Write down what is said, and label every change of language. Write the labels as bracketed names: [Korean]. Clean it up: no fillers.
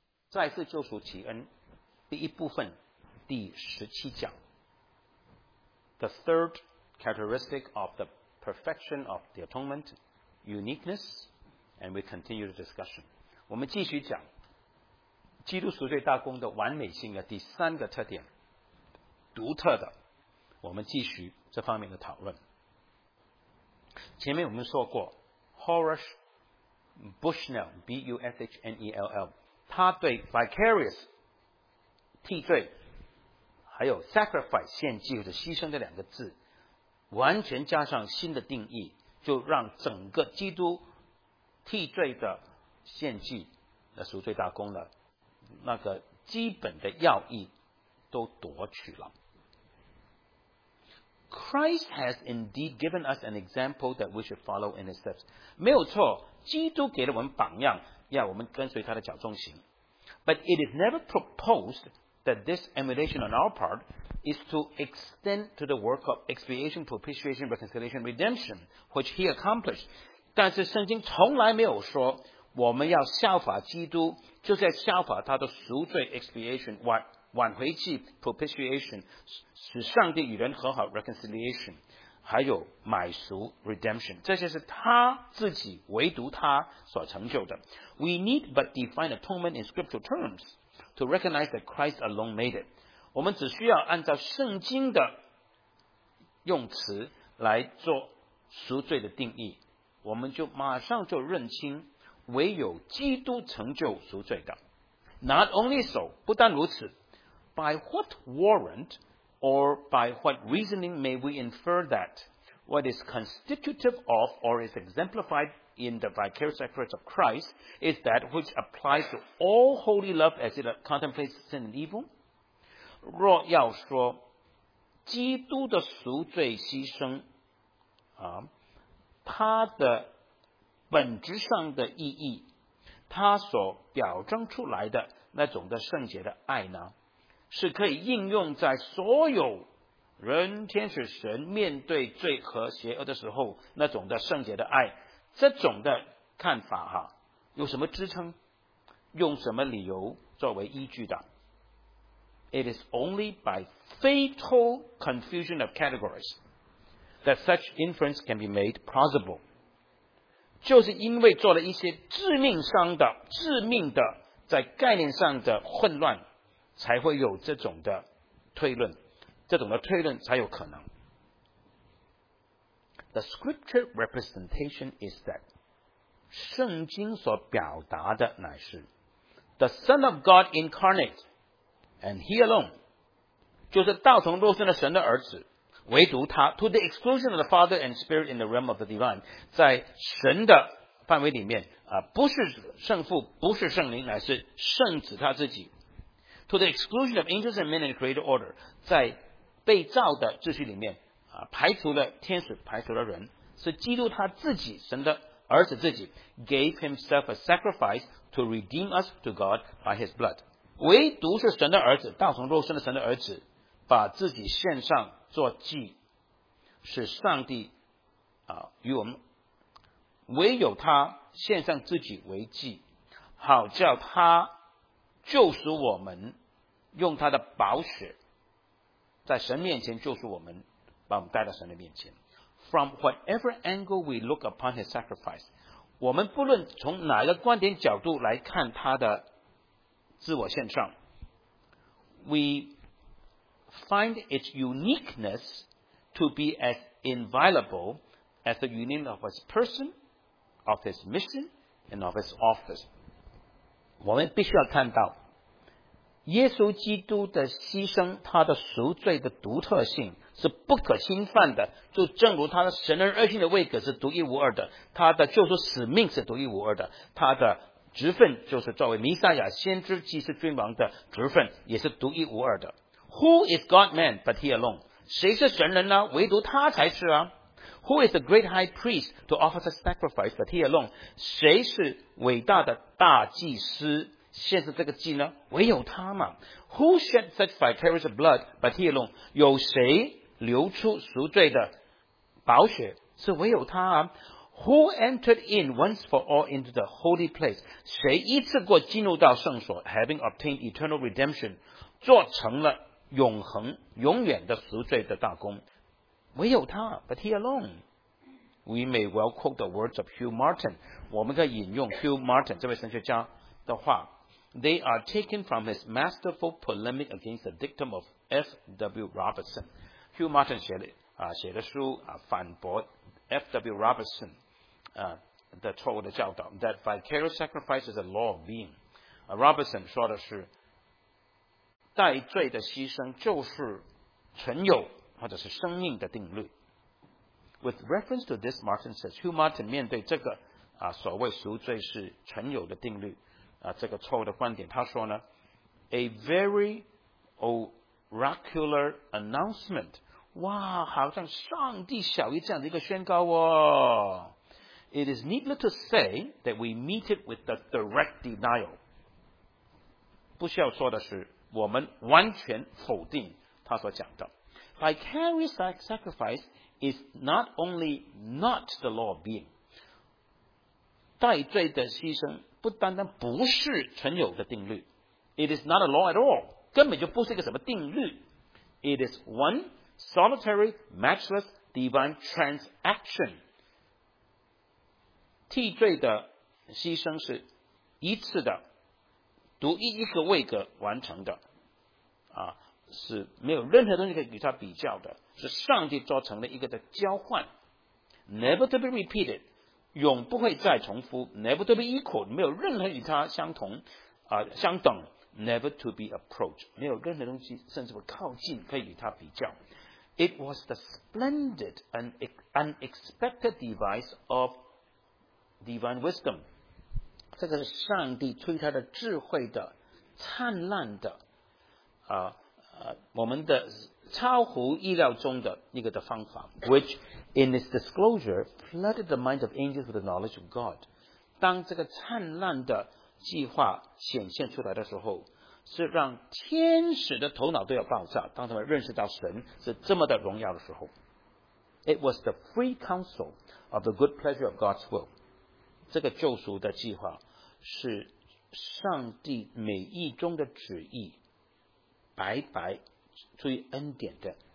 [Chinese] 再次救赎启恩，第一部分，第十七讲。 [English] The third characteristic of the perfection of the atonement, uniqueness, and we continue the discussion. [Chinese] 我们继续讲基督赎罪大功的完美性的第三个特点，独特的，我们继续这方面的讨论。前面我们说过 Horace Bushnell B-U-S-H-N-E-L-L 他对 vicarious 替罪还有 sacrifice 献祭或者牺牲这两个字完全加上新的定义，就让整个基督替罪的献祭的赎罪大功了那个基本的要义都夺取了。 [English] Christ has indeed given us an example that we should follow in his steps. [Chinese] 没有错，基督给了我们榜样，要我们跟随他的脚踪行。 [English] But it is never proposed that this emulation on our part is to extend to the work of expiation, propitiation, reconciliation, redemption, which he accomplished. [Chinese] 但是圣经从来没有说我们要效法基督，就是要效法他的赎罪 expiation挽回祭 propitiation 使上帝与人和好 reconciliation 还有买赎 redemption 这些是他自己唯独他所成就的。 [English] We need but define atonement in scriptural terms to recognize that Christ alone made it. [Chinese] 我们只需要按照圣经的用词来做赎罪的定义，我们就马上就认清唯有基督成就赎罪的。 [English] Not only so [Chinese] 不但如此， [English] By what warrant or by what reasoning may we infer that what is constitutive of or is exemplified in the vicarious sacrifice of Christ is that which applies to all holy love as it contemplates sin and evil? [Chinese] 若要说基督的赎罪牺牲它的本质上的意义，它所表征出来的那种的圣洁的爱呢，是可以应用在所有人天使神面对罪和邪恶的时候那种的圣洁的爱，这种的看法哈，有什么支撑，用什么理由作为依据的？ [English] It is only by fatal confusion of categories that such inference can be made plausible. [Chinese] 就是因为做了一些致命的在概念上的混乱，才会有这种的推论，这种的推论才有可能。 [English] The scripture representation is that [Chinese] 圣经所表达的乃是 [English] The Son of God incarnate and he alone [Chinese] 就是道成肉身的神的儿子唯独他 [English] To the exclusion of the Father and Spirit in the realm of the divine [Chinese] 在神的范围里面不是圣父不是圣灵乃是圣子他自己 [English] To the exclusion of angels and men in the created order, [Chinese] 在被造的秩序里面排除了天使排除了人，是基督他自己神的儿子自己 [English] gave himself a sacrifice to redeem us to God by his blood. [Chinese] 唯独是神的儿子道成肉身的神的儿子把自己献上做祭，是上帝与我们唯有他献上自己为祭，好叫他救赎我们，用他的宝血在神面前救赎我们，把我们带到神的面前。 [English] From whatever angle we look upon his sacrifice, [Chinese] 我们不论从哪个观点角度来看他的自我献上， [English] We find its uniqueness to be as inviolable as the union of his person, of his mission, and of his office. [Chinese] 我们必须要看到耶稣基督的牺牲，他的赎罪的独特性是不可侵犯的，就正如他的神人二性的位格是独一无二的，他的救赎使命是独一无二的，他的职分就是作为弥赛亚先知祭司君王的职分也是独一无二的。 [English] Who is God man but he alone? [Chinese] 谁是神人呢？唯独他才是啊。 [English] Who is the great high priest to offer the sacrifice but he alone? [Chinese] 谁是伟大的大祭司现实这个祭呢？唯有他嘛。 [English] Who shed such vicarious blood but he alone? [Chinese] 有谁流出赎罪的宝血？是唯有他啊。 [English] Who entered in once for all into the holy place? [Chinese] 谁一次过进入到圣所 ， [English] having obtained eternal redemption， [Chinese] 做成了永恒、永远的赎罪的大功？唯有他 [English] ，but he alone。 We may well quote the words of Hugh Martin. [Chinese] 我们可以引用 Hugh Martin 这位神学家的话。 [English] They are taken from his masterful polemic against the dictum of F.W. Robertson. [Chinese] Hugh Martin 写的书反驳 F.W. [English] Robertson [Chinese] 的错误的教导 [English] that vicarious sacrifice is a law of being. [Chinese] Robertson 说的是代罪的牺牲就是存有或者是生命的定律。 [English] With reference to this, Martin says, [Chinese] Hugh Martin 面对这个所谓赎罪是存有的定律这个错误的观点，他说呢 ， [English] a very oracular announcement， [Chinese] 哇，好像上帝小一这样的一个宣告哦。 [English] It is needless to say that we meet it with the direct denial。 [Chinese] 不需要说的是，我们完全否定他所讲的。 [English] Vicarious sacrifice is not only not the law of being， [Chinese] 代罪的牺牲。不单单不是存有的定律 [English] It is not a law at all [Chinese] 根本就不是一个什么定律 [English] It is one solitary matchless divine transaction [Chinese] 替罪的牺牲是一次的独一一个位格完成的是没有任何东西可以与它比较的是上帝做成了一个的交换 [English] Never to be repeated [Chinese] 永不会再重复 ， [English] never to be equal， [Chinese] 没有任何与它相同相等 ， [English] never to be approached， [Chinese] 没有任何东西甚至不靠近可以与它比较。 [English] It was the splendid and unexpected device of divine wisdom。 [Chinese] 这个是上帝出于他的智慧的灿烂的我们的超乎意料中的那个的方法 ，which。 [English] In its disclosure, flooded the minds of angels with the knowledge of God. [Chinese] 当这个灿烂的计划显现出来的时候，是让天使的头脑都要爆炸。当他们认识到神是这么的荣耀的时候 [English] ，It was the free counsel of the good pleasure of God's will. [Chinese] 这个救赎的计划是上帝美意中的旨意，白白出于恩典的。